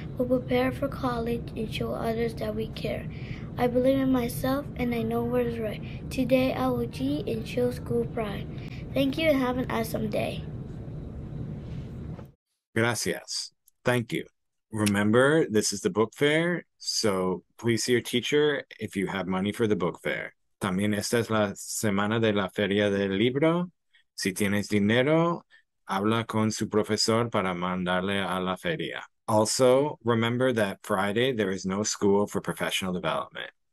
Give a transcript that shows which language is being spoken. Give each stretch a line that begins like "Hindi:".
English: We'll prepare for college and show others that we care. I believe in myself and I know what is right. Today I will G and show school pride. Thank you and have an awesome day.
Spanish: Gracias.
English: Thank you. Remember, this is the book fair, so please see your teacher if you have money for the book fair.
Spanish: También esta es la semana de la feria del libro. Si tienes dinero, habla con su profesor para mandarle a la feria.
English: Also, remember that Friday there is no school for professional development.